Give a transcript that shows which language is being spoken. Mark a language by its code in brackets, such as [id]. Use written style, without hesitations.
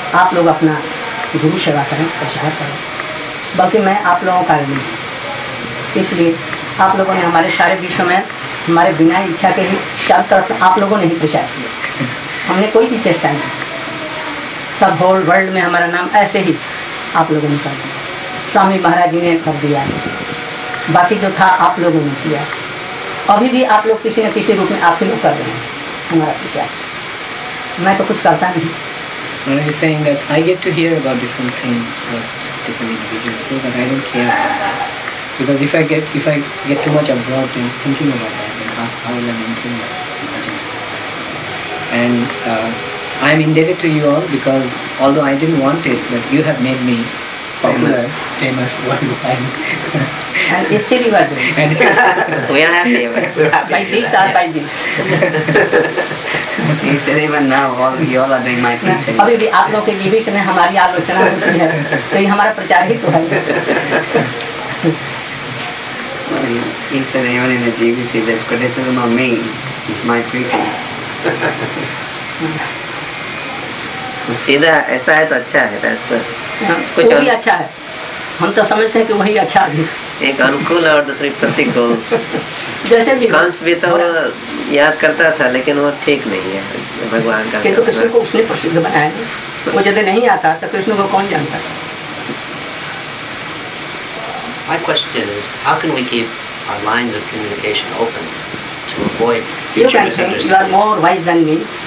[hi] आप लोग अपना गुरु सेवा करें, प्रचार करें, बल्कि मैं आप लोगों का ही नहीं, इसलिए आप लोगों ने हमारे सारे विश्व में हमारे बिना इच्छा के ही चार तरफ आप लोगों ने ही प्रचार किया, हमने कोई भी चेष्टा नहीं, सब होल वर्ल्ड में हमारा नाम ऐसे ही आप लोगों ने कर दिया, स्वामी महाराज जी ने कर दिया, बाकी जो था आप लोगों ने किया, अभी भी आप लोग किसी न किसी रूप में आप ही लोग कर रहे हैं, हमारा क्या, मैं तो कुछ करता नहीं। [en] Maharaj is saying that I get to hear about different things for different individuals, so that I don't care about that. Because if I get too much absorbed in thinking about that, then how will I maintain that? And I am indebted to you all, because although I didn't want it, but you have made me famous one. And still you are doing it. We are happy. By this or by this. He said even now, you all are doing my preaching. [hi] अभी भी आप लोगों के विवेचन में हमारी आलोचना होती है, तो ये हमारा प्रचार ही तो है। [en] He said even in the GBC, there's criticism of me, my preaching. [hi] सीधा ऐसा है तो अच्छा है, that's कुछ वही अच्छा है, हम तो समझते हैं कि वही अच्छा है। एक अनुकूल और दूसरी प्रतिकूल, जैसे भी कंस भी तो याद करता था लेकिन वो ठीक नहीं है भगवान का, किंतु कृष्ण को उसने प्रसिद्ध बनाया, वो यदि नहीं आता तो कृष्ण को कौन जानता। [en] My question is, how can we keep our lines of communication open to avoid future misunderstandings? You are more wise than me.